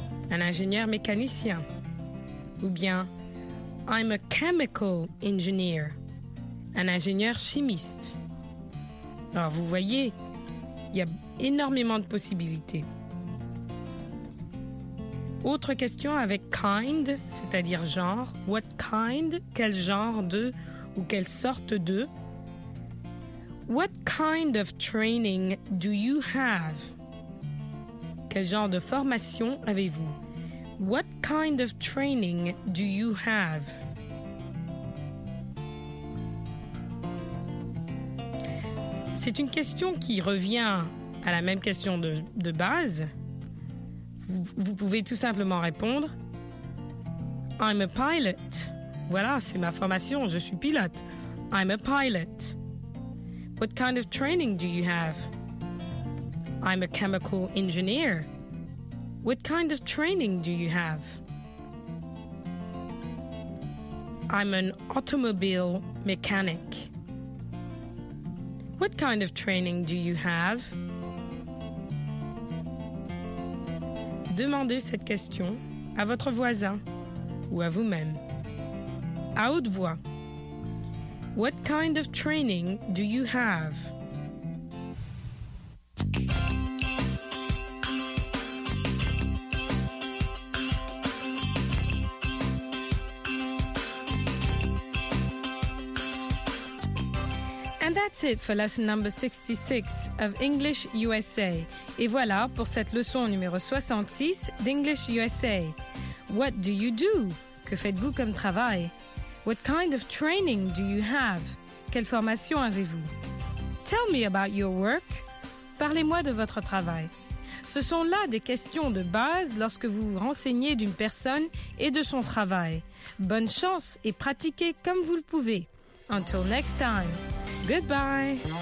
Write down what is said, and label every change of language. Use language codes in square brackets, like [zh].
[fr] Un ingénieur mécanicien. Ou bien [en] I'm a chemical engineer. [fr] Un ingénieur chimiste. Alors, vous voyez, il y a énormément de possibilités. Autre question avec kind, c'est-à-dire genre. [en] What kind, [fr] quel genre de ou quelle sorte de. [en] What kind of training do you have? [fr] Quel genre de formation avez-vous? [en] What kind of training do you have? [fr] C'est une question qui revient à la même question de base. Vous pouvez tout simplement répondre [en] I'm a pilot. [fr] Voilà, c'est ma formation, je suis pilote. [en] I'm a pilot. What kind of training do you have? I'm a chemical engineer. What kind of training do you have? I'm an automobile mechanic. What kind of training do you have? [fr] Demandez cette question à votre voisin ou à vous-même. À haute voix. [en] What kind of training do you have? And that's it for lesson number 66 of English USA. [fr] Et voilà pour cette leçon numéro 66 d'English USA. [en] What do you do? [fr] Que faites-vous comme travail? [en] What kind of training do you have? [fr] Quelle formation avez-vous? [en] Tell me about your work. [fr] Parlez-moi de votre travail. Ce sont là des questions de base lorsque vous vous renseignez d'une personne et de son travail. Bonne chance et pratiquez comme vous le pouvez. [en] Until next time. Goodbye.